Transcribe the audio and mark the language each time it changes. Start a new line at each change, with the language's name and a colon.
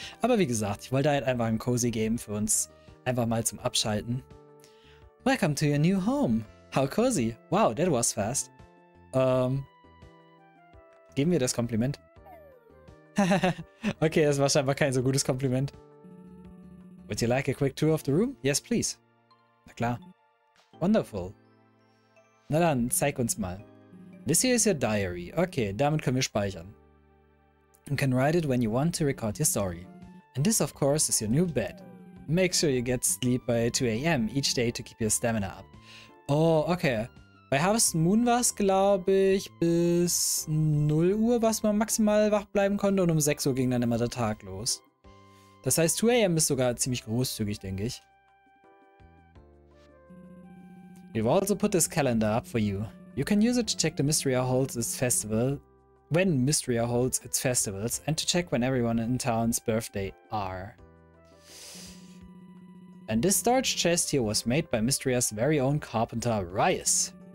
German: Aber wie gesagt, ich wollte halt einfach ein cozy Game für uns einfach mal zum Abschalten.
English: Welcome to your new home. How cozy. Wow, that was fast.
German: Geben wir das Kompliment? Okay, das war scheinbar kein so gutes Kompliment.
English: Would you like a quick tour of the room? Yes, please.
German: Na klar.
English: Wonderful.
German: Na dann, zeig uns mal.
English: This here is your diary. Okay,
German: damit können wir speichern.
English: You can write it when you want to record your story. And this, of course, is your new bed. Make sure you get sleep by 2 AM each day to keep your stamina up. Oh, okay.
German: Bei Harvest Moon war es, glaube ich, bis 0 Uhr, was man maximal wach bleiben konnte. Und um 6 Uhr ging dann immer der Tag los. Das heißt, 2 AM ist sogar ziemlich großzügig, denke ich.
English: We've also put this calendar up for you. You can use it to check the Mysteria holds its festival, when Mysteria holds its festivals, and to check when everyone in town's birthday are. And this storage chest here was made by Mysteria's very own carpenter, Rias.